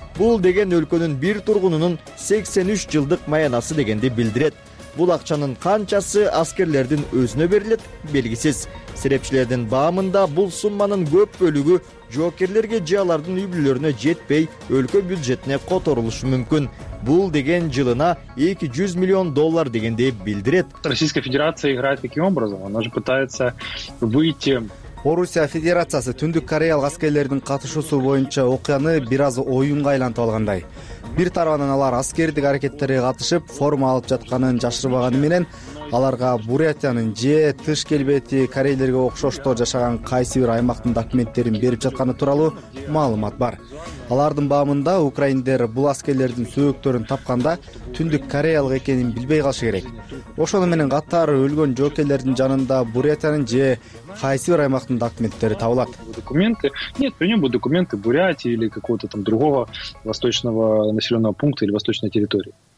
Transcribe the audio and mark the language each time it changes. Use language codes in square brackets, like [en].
[ky] Бул деген өлкөнүн бир тургунунун 83 жылдык маянасы дегенди билдирет. Бул акчанын канчасы аскерлердин өзүнө берилет, белгисиз. Серепчилердин баамында бул сумманын көп бөлүгү жоокерлерге же алардын үй бүлөлөрүнө жетпей, өлкө бюджетине которулушу мүмкүн. Бул деген жылына 200 миллион доллар дегенди билдирет. [ru] Российская Федерация играет таким образом, она же пытается выйти. [ky] Орусия Федерациясы Түндүк Кореялык аскерлердин катышуусу боюнча окуяны бир аз оюнга айлантып алгандай. Бир тарабынан алар аскердик аракеттерге катышып, форма алып жатканын жашырбаганы менен, аларга Бурятиянын же тыш келбети корейлерге окшоштоо жашаган кайсы бир аймактын документтерин берип жатканы тууралуу маалымат бар. Алардын баамында украиндер бул аскерлердин сөөктөрүн тапканда Түндүк Кореялык экенин билбей калышы керек. Ошону менен катар өлгөн жоокерлердин жанында Бурятиянын же кайсы бир аймактын документтери табылат. [ru] Документы? Нет, у него документы Бурятии или какого-то там другого восточного населенного пункта или восточной территории.